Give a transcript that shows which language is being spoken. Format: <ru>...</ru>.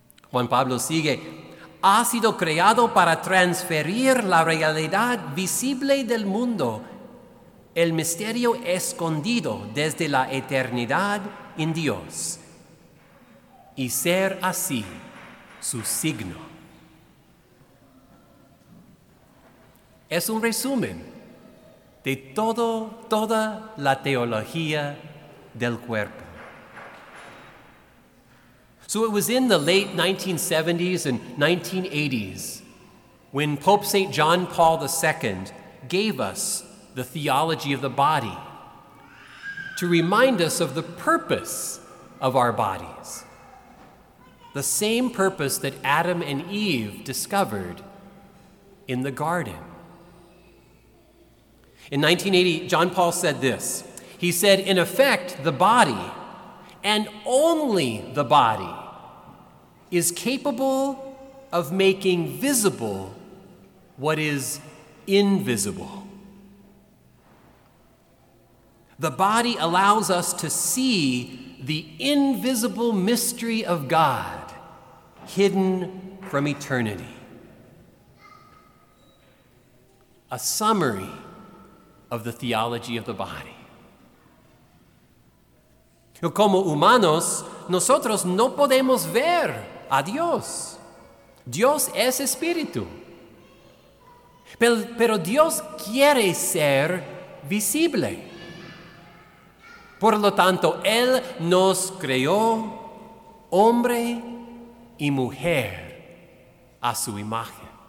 <es>Juan Pablo sigue, ha sido creado para transferir la realidad visible del mundo, el misterio escondido desde la eternidad en Dios, y ser así su signo. Es un resumen de toda la teología del cuerpo.</es> <en>So it was in the late 1970s and 1980s when Pope St. John Paul II gave us the theology of the body to remind us of the purpose of our bodies, the same purpose that Adam and Eve discovered in the garden. In 1980, John Paul said this. He said, in effect, the body, and only the body, is capable of making visible what is invisible. The body allows us to see the invisible mystery of God hidden from eternity. A summary of the theology of the body.</en> <es>Como humanos, nosotros no podemos ver a Dios. Dios es espíritu. Pero Dios quiere ser visible. Por lo tanto, Él nos creó hombre y mujer a su imagen.</es>